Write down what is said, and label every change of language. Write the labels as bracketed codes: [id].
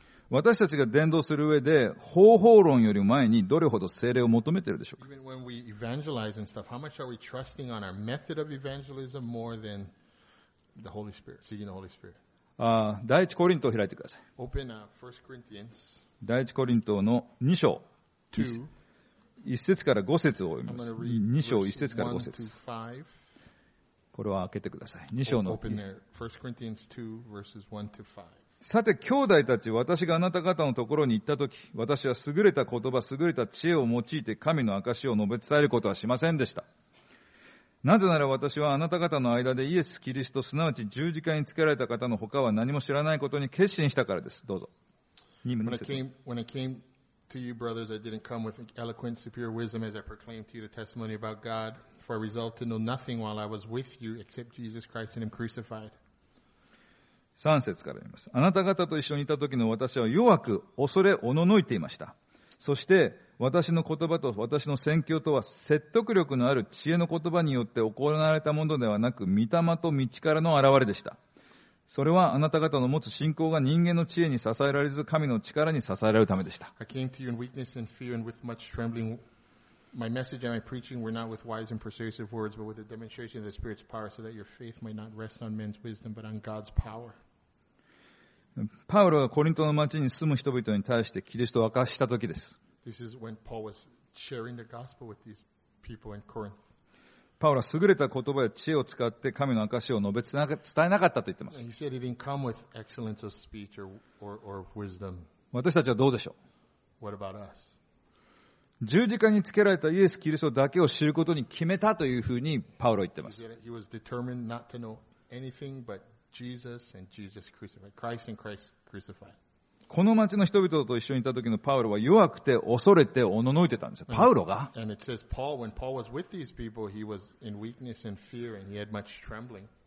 [ja] 私たちが伝道する上で方法論より前にどれほど聖霊を求めているでしょうか。 [en] Even when we evangelize and stuff, how much are we trusting on our method of evangelism more than the Holy Spirit, seeking the Holy Spirit? [ja] 第一コリントを開いてください。 [en] Open up 1 Corinthians. [ja] 第一コリントの2章。1節から5節を読みます。 2章1節から5節。これは開けてください。 2章の。 [en] Open there. 1 Corinthians 2 verses 1 to 5. [ja] さて兄弟たち、私があなた方のところに行ったとき、私は優れた言葉、優れた知恵を用いて神の証を述べ伝えることはしませんでした。なぜなら私はあなた方の間でイエス・キリスト、すなわち十字架につけられた方の他は何も知らないことに決心したからです。どうぞ。 [en] When I came to you, brothers, I didn't come with eloquent superior wisdom as I proclaimed to you the testimony about God, for I resolved to know nothing while I was with you except Jesus Christ and Him crucified. [ja] 3節から言います。あなた方と一緒にいた時の私は弱く恐れおののいていました。そして私の言葉と私の宣教とは説得力のある知恵の言葉によって行われたものではなく、御霊と御力の現れでした。それはあなた方の持つ信仰が人間の知恵に支えられず、神の力に支えられるためでした。 [en] I came to you in weakness and fear and with much trembling. My message and my preaching were not with wise and persuasive words, but with a demonstration of the Spirit's power, so that your faith might not rest on men's wisdom, but on God's power. [ja] パウロがコリントの町に住む人々に対してキリストを明かした時です。 [en] This is when Paul was sharing the gospel with these people in Corinth. [ja] パウロは優れた言葉や知恵を使って神の証を述べ伝えなかったと言ってます。 [en] He said he didn't come with excellence of speech or wisdom. [ja] 私たちはどうでしょう。 [en] What about us? [ja] 十字架につけられたイエス・キリストだけを知ることに決めたというふうにパウロは言ってます。 [en] He was determined not to know anything but Jesus and Jesus crucified. Christ and Christ crucified. [ja] この町の人々と一緒にいた時のパウロは弱くて恐れておののいてたんですよ。パウロが。 [en] And it says Paul, when Paul was with these people, he was in weakness and fear, and he had much trembling.